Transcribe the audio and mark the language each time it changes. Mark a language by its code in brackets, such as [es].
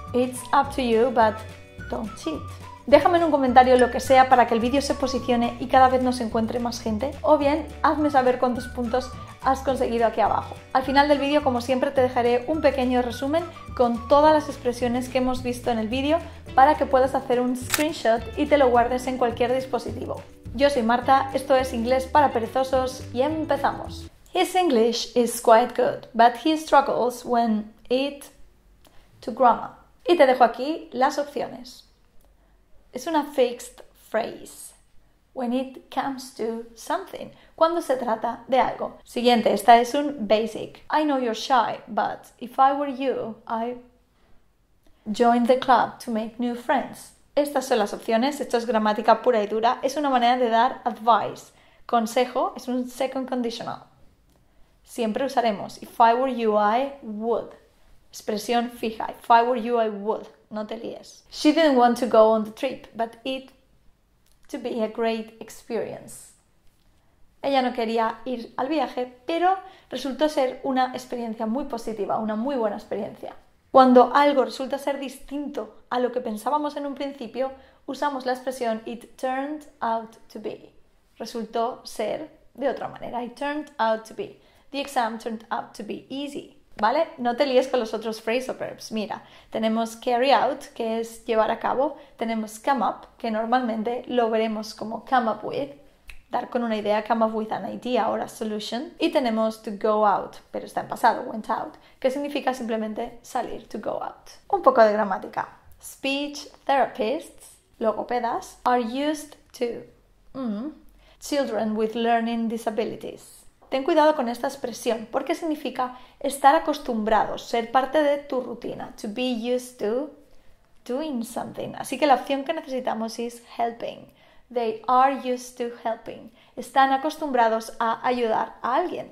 [en] It's up to you, but don't cheat. [es] Déjame en un comentario lo que sea para que el vídeo se posicione y cada vez nos encuentre más gente, o bien hazme saber cuántos puntos has conseguido aquí abajo. Al final del vídeo, como siempre, te dejaré un pequeño resumen con todas las expresiones que hemos visto en el vídeo para que puedas hacer un screenshot y te lo guardes en cualquier dispositivo. Yo soy Marta, esto es Inglés para Perezosos y empezamos. [en] His English is quite good, but he struggles when it to grammar. [es] Y te dejo aquí las opciones. Es una fixed phrase. [en] When it comes to something. [es] Cuando se trata de algo. Siguiente, esta es un basic. [en] I know you're shy, but if I were you, I'd join the club to make new friends. [es] Estas son las opciones. Esto es gramática pura y dura. Es una manera de dar advice. Consejo, es un second conditional. Siempre usaremos. [en] If I were you, I would. [es] Expresión fija. [en] If I were you, I would. [es] No te líes. [en] She didn't want to go on the trip, but it to be a great experience. [es] Ella no quería ir al viaje, pero resultó ser una experiencia muy positiva, una muy buena experiencia. Cuando algo resulta ser distinto a lo que pensábamos en un principio, usamos la expresión [en] it turned out to be. [es] Resultó ser de otra manera. [en] It turned out to be. The exam turned out to be easy. [es] ¿Vale? No te líes con los otros phrasal verbs. Mira, tenemos carry out, que es llevar a cabo. Tenemos come up, que normalmente lo veremos como come up with. Dar con una idea, [en] come up with an idea or a solution. [es] Y tenemos to go out, pero está en pasado, went out, que significa simplemente salir, to go out. Un poco de gramática. [en] Speech therapists, logopedas, are used to children with learning disabilities. [es] Ten cuidado con esta expresión, porque significa estar acostumbrado, ser parte de tu rutina. [en] To be used to doing something. [es] Así que la opción que necesitamos es helping. [en] They are used to helping. [es] Están acostumbrados a ayudar a alguien.